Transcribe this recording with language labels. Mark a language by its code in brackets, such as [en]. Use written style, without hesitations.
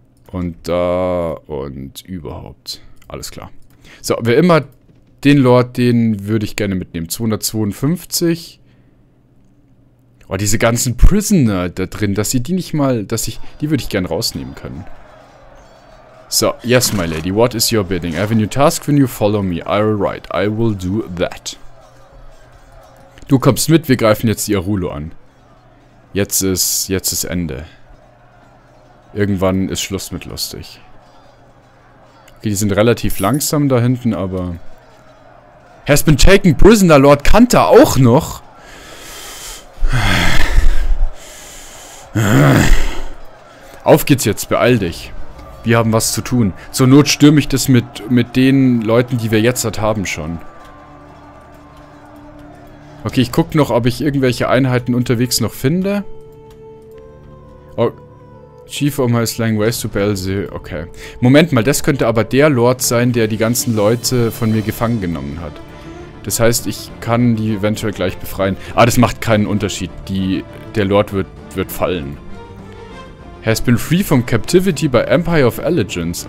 [de] Und da und überhaupt. Alles klar. So, wer immer den Lord, den würde ich gerne mitnehmen. 252. Oh, diese ganzen Prisoner da drin, dass sie die nicht mal, dass ich, die würde ich gerne rausnehmen können. [en] So, yes, my lady, what is your bidding? I have a new task when you follow me. All right, I will do that. [de] Du kommst mit, wir greifen jetzt die Arulo an. Jetzt ist Ende. Irgendwann ist Schluss mit lustig. Okay, die sind relativ langsam da hinten, aber... [en] Has been taken prisoner, Lord Kanta [de] auch noch? Auf geht's jetzt, beeil dich. Wir haben was zu tun. Zur Not stürme ich das mit den Leuten, die wir jetzt haben, schon. Okay, ich guck noch, ob ich irgendwelche Einheiten unterwegs noch finde. [en] Oh, Chief Omar is lying waste to Belze. Okay. [de] Moment mal, das könnte aber der Lord sein, der die ganzen Leute von mir gefangen genommen hat. Das heißt, ich kann die eventuell gleich befreien. Ah, das macht keinen Unterschied. Der Lord wird fallen. [en] Has been free from captivity by Empire of Allegiance.